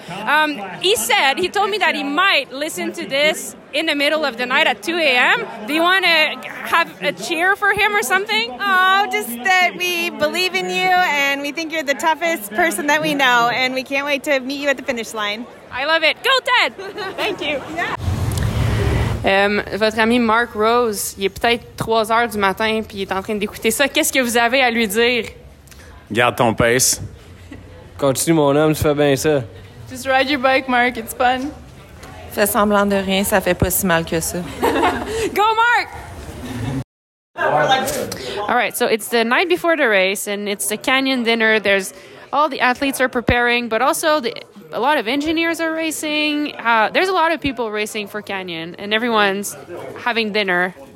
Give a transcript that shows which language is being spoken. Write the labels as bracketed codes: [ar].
[en] He told me that he might listen to this in the middle of the night at 2 a.m. Do you want to have a cheer for him or something? Oh, just that we believe in you and we think you're the toughest person that we know and we can't wait to meet you at the finish line. I love it. Go, Ted! Thank you. Yeah. [fr] Votre ami Mark Rose, il est peut-être 3 heures du matin puis il est en train d'écouter ça. Qu'est-ce que vous avez à lui dire? Garde ton pace. Continue, mon homme, tu fais bien ça. [en] Just ride your bike, Mark, it's fun. [fr] Fait semblant de rien, ça fait pas si mal que ça. [en] Go, Mark! All right, so it's the night before the race, and it's the canyon dinner. There's all the athletes are preparing, but also a lot of engineers are racing. There's a lot of people racing for canyon, and everyone's having dinner.